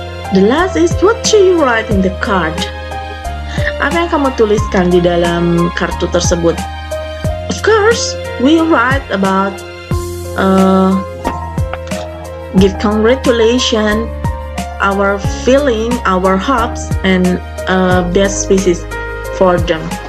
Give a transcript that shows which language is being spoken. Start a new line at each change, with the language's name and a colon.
English: The last is what do you write in the card?
Indonesian: Apa yang kamu tuliskan di dalam kartu tersebut?
English: Of course, we write about give congratulations, our feeling, our hopes, and best wishes for them.